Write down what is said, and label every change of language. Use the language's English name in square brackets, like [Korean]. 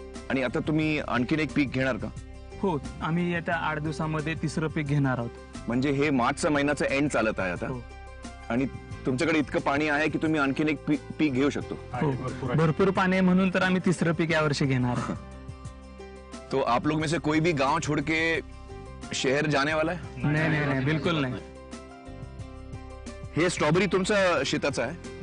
[Marathi] आणि आता तुम्ही आणखीन एक पीक घेणार का? हो, आम्ही येत्या आठ दिवसामध्ये तिसरं पीक घेणार आहोत. म्हणजे हे मार्चचा महिन्याचा एंड चालत आहे आता. आणि तुमच्याकडे इतकं पाणी आहे की तुम्ही आणखीन एक पीक घेऊ शकतो? भरपूर पाणी आहे म्हणून तर आम्ही तिसरं पीक या वर्षी घेणार. [Hindi] तो आप लोग में से कोई भी गाँव छोड़ के शहर जाने वाला है? नहीं नहीं नहीं, नहीं बिल्कुल नहीं. [Marathi] हे स्ट्रॉबेरी तुमचा शेताचा आहे?